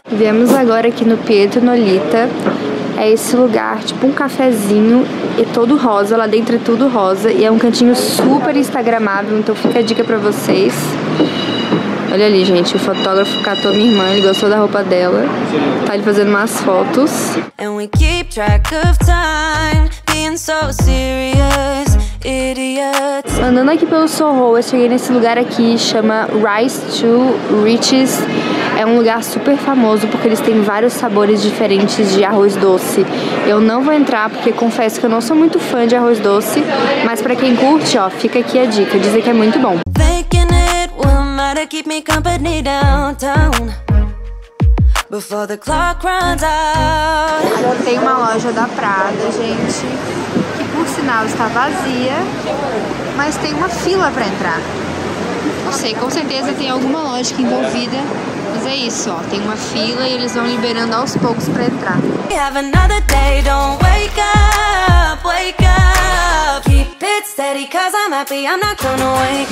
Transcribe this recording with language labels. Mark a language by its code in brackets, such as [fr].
[pt] Viemos agora aqui no Pietro Nolita. É esse lugar, tipo um cafezinho, e todo rosa, lá dentro é tudo rosa. E é um cantinho super instagramável, então fica a dica pra vocês. Olha ali, gente, o fotógrafo catou minha irmã, ele gostou da roupa dela. Tá ali fazendo umas fotos. [en] And we keep track of time, being so serious. Idiots. [pt] Andando aqui pelo Soho, eu cheguei nesse lugar aqui, chama Rise to Riches. É um lugar super famoso porque eles têm vários sabores diferentes de arroz doce. Eu não vou entrar porque confesso que eu não sou muito fã de arroz doce, mas pra quem curte, ó, fica aqui a dica, dizem que é muito bom. [en] Thinking it will matter, keep me company downtown. Before the clock runs out. [pt] Agora tem uma loja da Prada, gente. O sinal está vazia, mas tem uma fila para entrar. Não sei, com certeza tem alguma lógica envolvida, mas é isso, ó, tem uma fila e eles vão liberando aos poucos para entrar. [en] We have another day, don't wake up, keep it steady, cause I'm happy, I'm not gonna wake up.